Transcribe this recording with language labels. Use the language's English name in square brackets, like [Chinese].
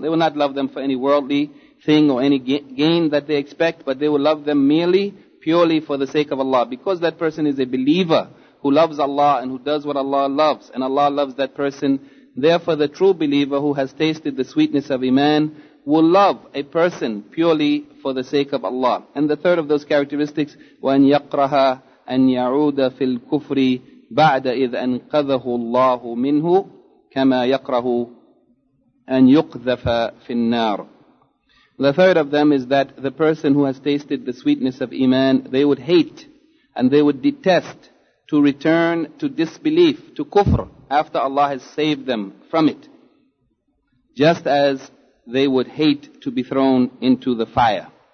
[English] They will not love them for any worldly thing or any gain that they expect, but they will love them merely, purely for the sake of Allah. Because that person is a believer who loves Allah and who does what Allah loves, and Allah loves that person. Therefore, the true believer who has tasted the sweetness of Iman will love a person purely for the sake of Allah. And the third of those characteristics, [Arabic] وَأَنْ يَقْرَهَا أَنْ يَعُودَ فِي الْكُفْرِ بعد إذ أنقذه الله منه كما يكره أن يقذف في النار. [English] The third of them is that the person who has tasted the sweetness of Iman, they would hate and they would detest to return to disbelief, to kufr, after Allah has saved them from it, just as they would hate to be thrown into the fire.